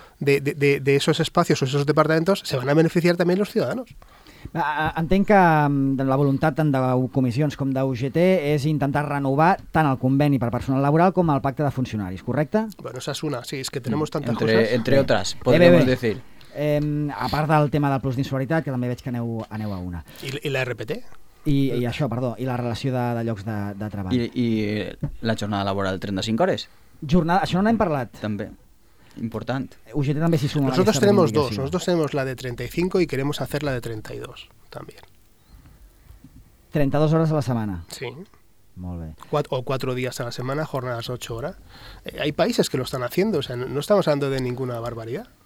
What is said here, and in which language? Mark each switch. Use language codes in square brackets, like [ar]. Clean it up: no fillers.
[es] de esos espacios o esos departamentos se van a beneficiar también los ciudadanos. [ca] Entenc que la voluntat tant de comissions com d'UGT és intentar renovar tant el conveni per personal laboral com el pacte de funcionaris, correcte? [es] Bueno, esa es una, sí, es que tenemos tantas entre, cosas. Entre otras, podríamos decir. [ca] A part del tema del plus d'insularitat, que també veig que aneu a una. I la RPT? I això, perdó, i la relació de llocs de treball. I la jornada laboral 35 hores? Jornada, això no n'hem parlat. També. Important. [es] UGT también se suma. Nosotros tenemos dos. Nosotros tenemos la de 35 y queremos hacer la de 32 también. 32 horas a la semana. Sí. [ca] Molt bé. [es] O 4 días a la semana, jornadas 8 horas. Hay países que lo están haciendo. O sea, no estamos hablando de ninguna barbaridad.